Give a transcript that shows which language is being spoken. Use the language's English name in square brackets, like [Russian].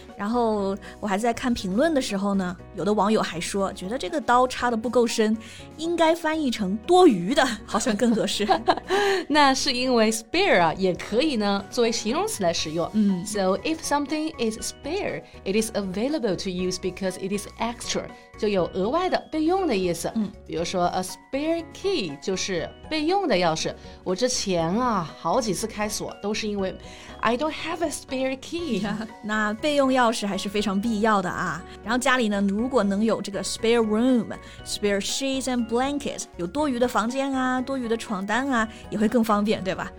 [Chinese] 然后我还在看评论的时候呢有的网友还说觉得这个刀插得不够深应该翻译成多余的好像更合适那是因为 spare、啊、也可以呢作为形容词来使用、嗯、 [English] So if something is spare it is available to use because it is extra [Chinese] 就有额外的备用的意思、嗯比如说 a spare key 就是备用的钥匙我之前啊好几次开锁都是因为 [English] I don't have a spare key [Chinese] yeah, 那备用钥匙还是非常必要的啊然后家里呢如果能有这个 [English] spare room spare sheets and blankets [Chinese] 有多余的房间啊多余的床单啊也会更方便对吧